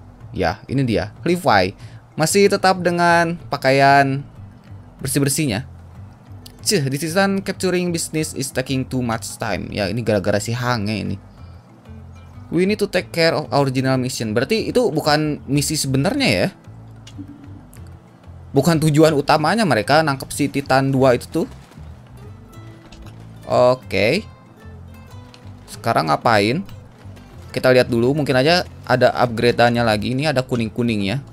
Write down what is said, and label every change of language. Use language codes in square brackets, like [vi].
[id] Ya, ini dia, Levi, masih tetap dengan pakaian bersih-bersihnya. [en] Cih, this titan capturing business is taking too much time. [id] Ya, ini gara-gara si Hange ini. [en] We need to take care of our original mission. [id] Berarti itu bukan misi sebenarnya ya? Bukan tujuan utamanya mereka nangkep si Titan 2 itu tuh. Oke. Sekarang ngapain? Kita lihat dulu, mungkin aja ada upgrade-annya lagi. Ini ada kuning-kuningnya.